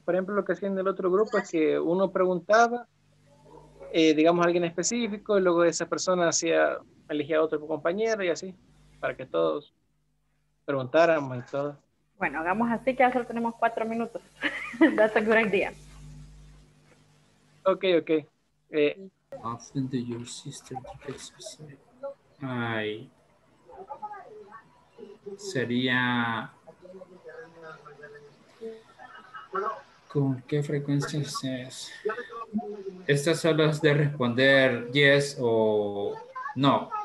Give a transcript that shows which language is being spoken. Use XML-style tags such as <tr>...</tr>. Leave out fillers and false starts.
<es>Por ejemplo, lo que hacían en el otro grupo es que uno preguntaba, digamos, a alguien específico, y luego esa persona hacía, elegía a otro compañero y así, para que todos preguntáramos y todo. Bueno, hagamos así que ya solo tenemos 4 minutos.</es> <en>That's a good idea. Ok, ok. Often do your sister get exercise?</en> <es>Ay, sería con qué frecuencia es estas horas de responder yes o no.</es>